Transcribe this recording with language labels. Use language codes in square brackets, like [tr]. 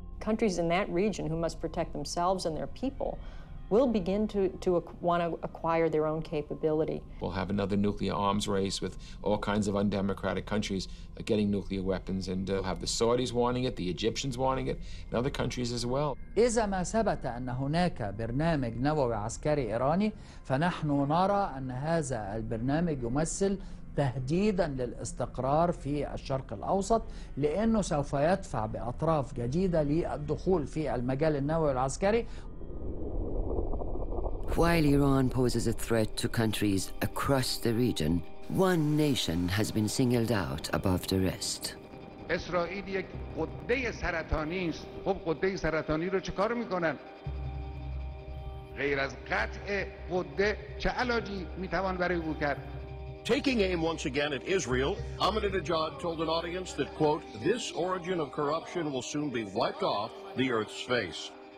[en] Countries in that region who must protect themselves and their people will begin to want to acquire their own capability. We'll have another nuclear arms race with all kinds of undemocratic countries getting nuclear weapons, and we'll have the Saudis wanting it, the Egyptians wanting it, and other countries as well. [ar] إذا ما ثبت أن هناك برنامج نووي عسكري إيراني فنحن نرى أن هذا البرنامج يمثل تهديداً للاستقرار في الشرق الأوسط لأنه سوف يدفع بأطراف جديدة للدخول في المجال النووي العسكري. [en] While Iran poses a threat to countries across the region, one nation has been singled out above the rest. [fa] اسرائیل یک قده سرطانی است. خب قده سرطانی رو چه کار میکنن؟ غیر از قطع قده چه علاجی میتوان برای او کرد؟ [en] Taking aim once again at Israel, Ahmadinejad told an audience that, quote, this origin of corruption will soon be wiped off the earth's face.